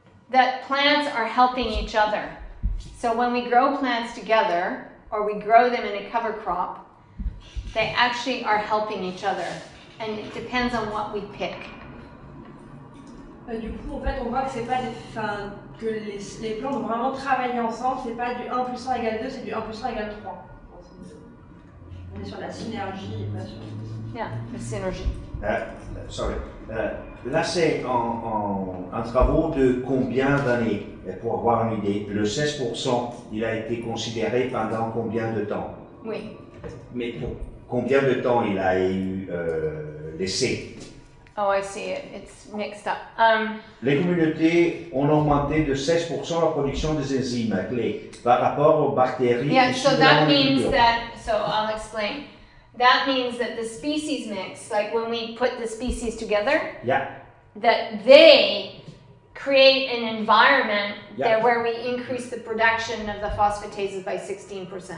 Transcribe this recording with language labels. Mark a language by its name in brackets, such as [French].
[English] That plants are helping each other. So when we grow plants together, or we grow them in a cover crop, they actually are helping each other, and it depends on what we pick. [French] Du coup, en fait, on voit que c'est pas des, enfin, que les plantes ont vraiment travaillé ensemble. C'est pas du 1 plus 1 égale 2, c'est du 1 plus 1 égale 3. On est sur la synergie, pas sur. [English] Yeah, the synergy. [French] Là, c'est en travaux de combien d'années? Pour avoir une idée, le 16%, il a été considéré pendant combien de temps? Oui. Mais pour combien de temps il a eu laissé? [English] Oh, I see it. It's mixed up. [French] Les communautés ont augmenté de 16% la production des enzymes clés par rapport aux bactéries. [English] Yeah, so that means that, so I'll explain. That means that the species mix, like when we put the species together, yeah, that they create an environment, yeah, there where we increase the production of the phosphatases by 16%.